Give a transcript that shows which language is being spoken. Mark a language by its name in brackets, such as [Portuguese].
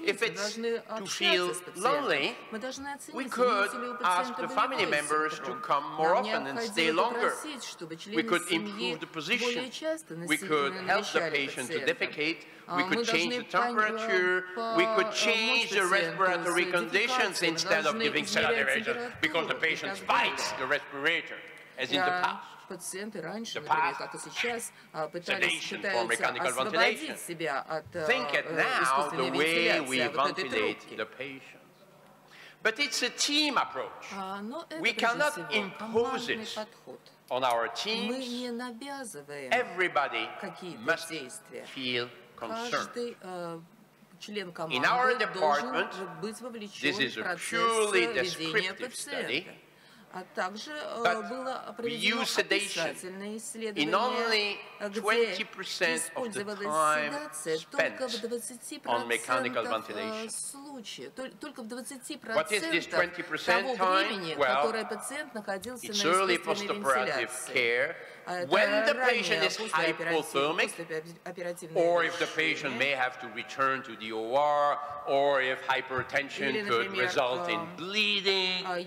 [English] If it's to feel lonely, we could ask the family members to come more often and stay longer. We could improve the position. We could help the patient to defecate. We could change the temperature. We could change the respiratory conditions instead of giving sedative agents because the patient bites the respirator, as in the past. [Russian] Пациенты раньше, например, как и сейчас, пытаются освободить себя от искусственной вентиляции, вот этой трубки. Но это, прежде всего, командный подход. [English] On our teams, [Russian] мы не навязываем какие-то действия. Каждый член команды должен быть вовлечен в процесс ведения пациента. А также было проведено описательное исследование, где использовалась седация только в 20% того времени, которое пациент находился на искусственной вентиляции. [English] When the patient is hypothermic, or if the patient may have to return to the OR, or if hypertension could result in bleeding.